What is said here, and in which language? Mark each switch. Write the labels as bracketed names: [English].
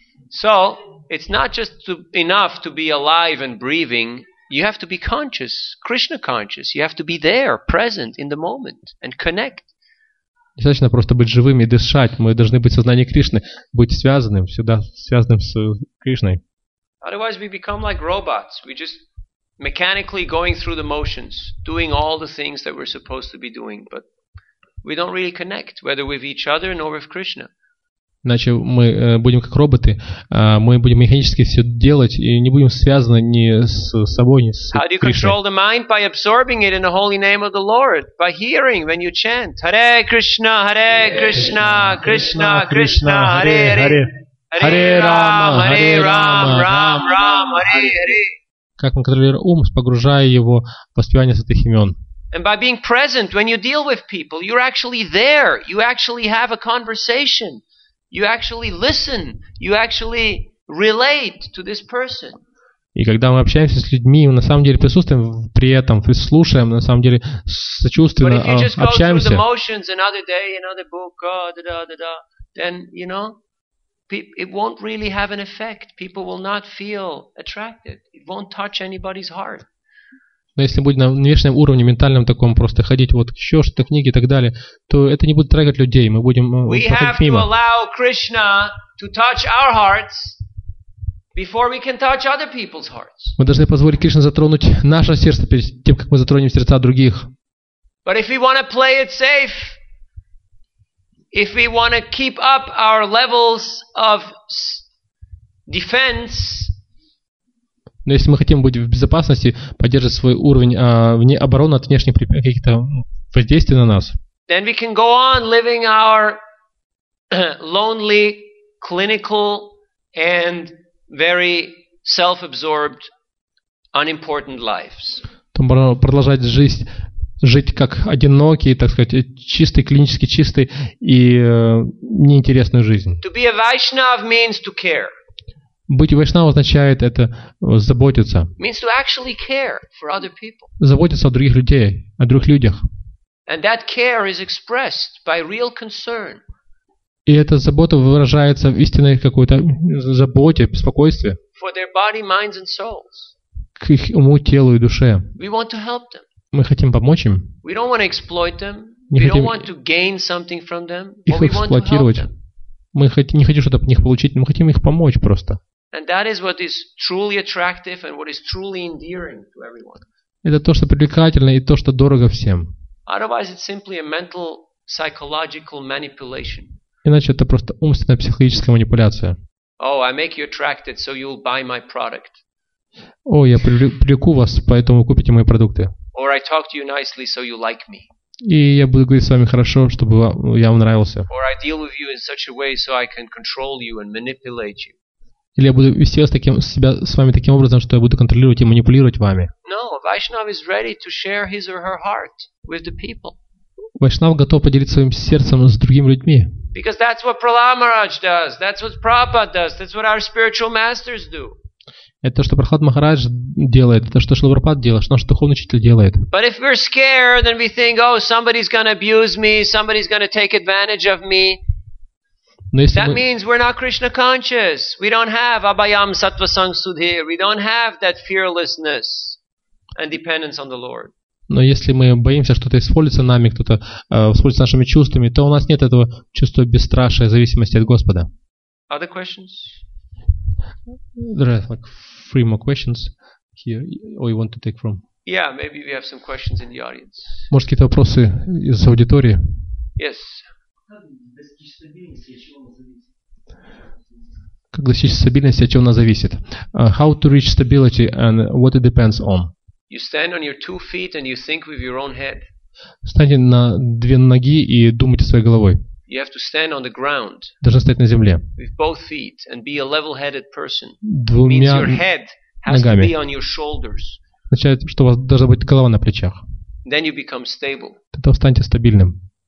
[English] So, it's not just enough to be alive and breathing. You have to be conscious, Krishna conscious. You have to be there, present in the moment and connect. [Russian] Достаточно просто быть живым и дышать. Мы должны быть в сознании Кришны, быть связанным, всегда связанным с Кришной. [English] Otherwise we become like robots. We just mechanically going through the motions, doing all the things that we're supposed to be doing, but we don't really connect, whether with each other nor with Krishna. [Russian] Иначе мы будем как роботы, мы будем механически все делать и не будем связаны ни с собой, ни с Кришной. [English] How do you control the mind? By absorbing it in the holy name of the Lord, by hearing when you chant, Hare Krishna, Hare Krishna, Hare Krishna, Krishna, Krishna, Krishna, Hare Hare, Hare, Hare, Hare Rama, Hare Rama, Rama Rama, Hare Hare. [Russian] Как мы контролируем ум, погружая его в воспевание святых имен. [English] And by being present, when you deal with people, you're actually there. You actually have a conversation. You actually listen. You actually relate to this person. [Russian] И когда мы общаемся с людьми, мы на самом деле присутствуем при этом, слушаем, на самом деле сочувственно общаемся. [English] But if you just go through the motions another day, another book, then, you know, it won't really have an effect. People will not feel attracted. It won't touch anybody's heart. [Russian] Но если будет на внешнем уровне, ментальном таком, просто ходить вот еще что-то, книги и так далее, то это не будет трогать людей. Мы будем проходить мимо. [English] We have to allow Krishna to touch our hearts before we can touch other people's hearts. [Russian] Мы должны позволить Кришне затронуть наше сердце перед тем, как мы затронем сердца других. [English] But if we want to play it safe, if we want to keep up our levels of defense. [Russian] Но если мы хотим быть в безопасности, поддерживать свой уровень вне обороны от внешних каких-то воздействий на нас. [English] Then we can go on living our lonely, clinical and very self-absorbed, unimportant lives. [Russian] То можно продолжать жить как одинокий, так сказать, чистый, клинически чистый и неинтересную жизнь. [English] To be a Vaishnav means to care. [Russian] Быть вайшнава означает это заботиться. [English] Means to actually care for other people. [Russian] Заботиться о других людей, о других людях. [English] And that care is expressed by real concern. [Russian] И эта забота выражается в истинной какой-то заботе, беспокойстве. [English] For their body, minds and souls. [Russian] К их уму, телу и душе. [English] We want to help them. [Russian] Мы хотим помочь им. [English] We don't want to exploit them. We don't want to gain something from them. [Russian] Их эксплуатировать. Мы не хотим что-то от них получить, мы хотим их помочь просто. [English] And that is what is truly attractive and what is truly endearing to everyone. [Russian] Это то, что привлекательно и то, что дорого всем. [English] Otherwise, it's simply a mental, psychological manipulation. [Russian] Иначе это просто умственная психологическая манипуляция. [English] Oh, I make you attracted, so you'll buy my product. [Russian] О, я привлеку вас, поэтому вы купите мои продукты. [English] Or I talk to you nicely, so you like me. [Russian] И я буду говорить с вами хорошо, чтобы я вам нравился. [English] Or I deal with you in such a way so I can control you and manipulate you. [Russian] Или я буду вести вас таким, себя с вами таким образом, что я буду контролировать и манипулировать вами. [English] No, Vaishnav is ready to share his or her heart with the people. [Russian] Вайшнав готов поделиться своим сердцем с другими людьми. [English] Because that's what Prahlad Maharaj does, that's what Prabhupada does, that's what our spiritual masters do. [Russian] Это то, что Прохлад Махарадж делает, это то, что Шрила Прабхупада делает, что наш духовный учитель делает. [English] But if we're scared, then we think, oh, somebody's going to abuse me, somebody's going to take advantage of me. That means we're not Krishna conscious. We don't have abhayam sattva sang sudhir. We don't have that fearlessness and dependence on the Lord. [Russian] Но если мы боимся, что-то используется нами, кто-то используется нашими чувствами, то у нас нет этого чувства бесстрашия, зависимости от Господа. [English] Other questions? There are like three more questions here, or you want to take from? Yeah, maybe we have some questions in the audience. [Russian] Может, какие-то вопросы из аудитории? [English] Yes. [Russian] Как достичь стабильности, от чего она зависит? [English] How to reach stability and what it depends on? You stand on your two feet and you think with your own head. [Russian] Встаньте на две ноги и думайте своей головой. [English] You have to stand on the ground. [Russian] Должен стоять на земле. [English] With both feet and be a level-headed person. [Russian] Двумя ногами. [English] Means your head has [Russian] ногами. [English] To be on your shoulders. [Russian] Означает, что у вас должна быть голова на плечах. [English] Then you become stable. [Russian] Тогда вы станете стабильным.